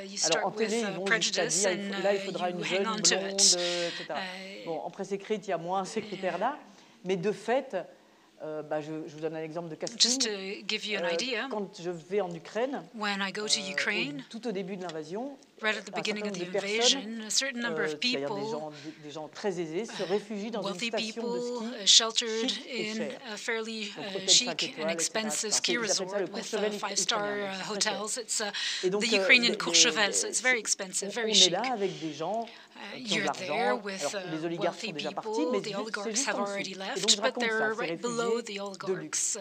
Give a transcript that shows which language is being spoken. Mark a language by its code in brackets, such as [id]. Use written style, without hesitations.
[fr] Alors, en télé, ils vont jusqu'à dire, là, il faudra une jeune blonde, etc. Bon, en presse écrite, il y a moins ces critères-là. Mais de fait... je vous donne un exemple de casting. [en] Just to give you an idea, [fr] quand je vais en Ukraine, [en] when I go to Ukraine, [fr] tout au début de l'invasion, [en] right at the beginning of the invasion, a certain number of people, [fr] des gens très aisés, se réfugient dans une station [en] people, [fr] de ski, [en] sheltered in a fairly chic and expensive ski resort with five-star hotels. It's the Ukrainian Courchevel, so it's very expensive, very chic. [fr] On est là avec des gens. [en] You're there with wealthy people, the oligarchs have already left, but they're right below the oligarchs.